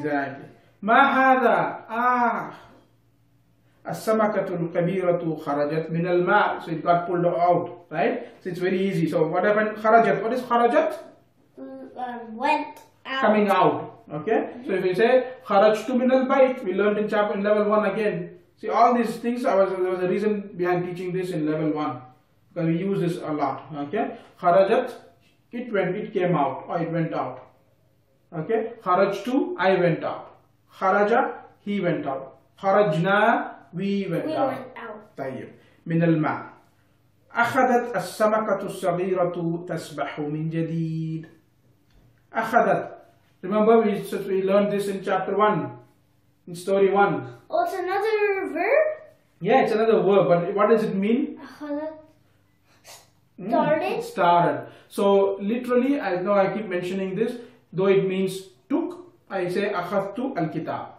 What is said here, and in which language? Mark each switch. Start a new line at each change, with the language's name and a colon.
English: Exactly.
Arabic: ما هذا؟ السمكة الكبيرة خرجت من الماء.
English: So it got pulled out, right? So it's very easy. So what happened? خرجت. What is خرجت? Went out. Coming out. Okay? So if you say
Arabic: خرجت من البيت,
English: we learned in chapter in level 1 again. See all these things, there was a reason behind teaching this in level 1. Because we use this a lot. Okay? خرجت. It went. It came out. Or it went out. Okay? خرجت. I went out. خرج. He went out. خرجنا. We went out.
Arabic: طيب من الماء أخذت السمكة الصغيرة تسبح من جديد. أخذت.
English: Remember we learned this in chapter 1. In story 1. Oh, it's another verb? Yeah, it's another verb. But what does it mean? أخذت. Started. Started. So literally, I know I keep mentioning this. Though it means took, I say
Arabic: أخذت الكتاب.